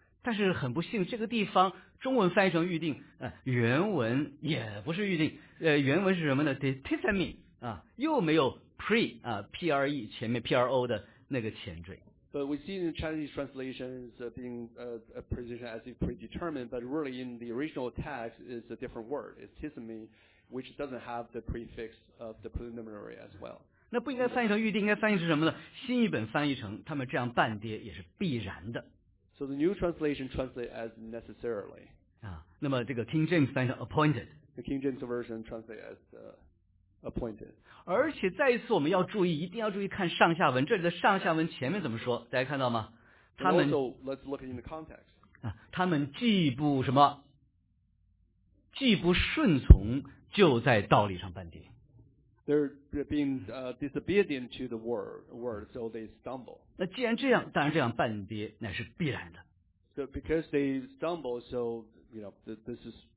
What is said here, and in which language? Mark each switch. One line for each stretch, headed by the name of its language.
Chinese: 但是很不幸，这个地方中文翻译成预定，原文也不是预定，原文是什么呢 ？Determine 啊，又没有 pre 啊 ，pre 前面 pro 的那个前缀。
English: But we see in Chinese translations being a position as if predetermined, but really in the original text is a different word. It's tisemi, which doesn't have the prefix of the preliminary as well.
Chinese: 那不应该翻译成预定，应该翻译成什么呢？新译本翻译成他们这样半跌也是必然的。
English: So the new translation translates as necessarily.
Chinese: 啊，那么这个 King James 翻译成 appointed.
English: The King James version translates as appointed.
Chinese: 而且再一次我们要注意，一定要注意看上下文，这里的上下文前面怎么说，大家看到吗？他们
English: also, let's look in the context.
Chinese: 他们既不什么，既不顺从，就在道理上绊跌。
English: They're being disobedient to the word, so they stumble.
Chinese: 那既然这样，当然这样绊跌乃是必然的。
English: So because they stumble, so you know, this is